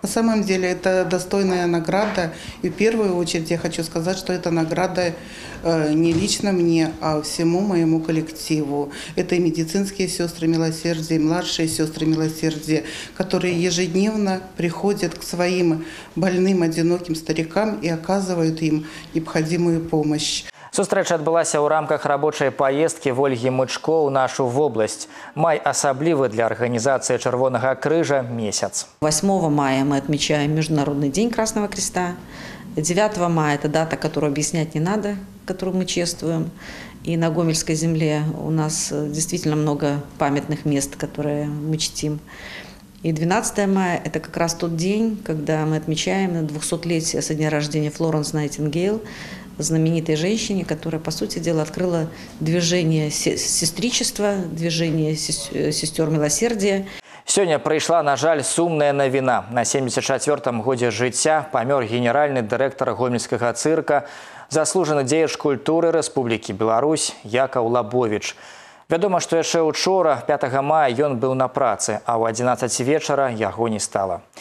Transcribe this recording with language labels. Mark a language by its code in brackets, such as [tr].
[ru] На самом деле это достойная награда. И в первую очередь я хочу сказать, что это награда не лично мне, а всему моему коллективу. Это медицинские сестры милосердия, младшие сестры милосердия, которые ежедневно приходят к своим больным, одиноким старикам и оказывают им необходимую помощь. [be] Сустрэча адбылася ў рамках рабочай паездкі Вольгі Мычко ў нашу вобласць. Май асаблівы для арганізацыі Чырвонага крыжа месяц. 8 мая мы адмечаем Міжнародны дзень [ru] Красного Креста. 9 мая – это дата, которую объяснять не надо, которую мы чествуем. И на Гомельской земле у нас действительно много памятных мест, которые мы чтим. И 12 мая – это как раз тот день, когда мы отмечаем 200-летие со дня рождения Флоренс Найтингейл, знаменитой женщине, которая, по сути дела, открыла движение сестричества, движение сестер милосердия. [be] Сёння прыйшла, на жаль, сумная навіна. На 74-м годзе жыцця памёр генеральны дырэктар гомельскага цырка, заслужаны дзеяч культуры Рэспублікі Беларусь Якаў Лабовіч. Вядома, што яшчэ ўчора, 5 мая, ён быў на працы, а ў 11 вечара яго не стала.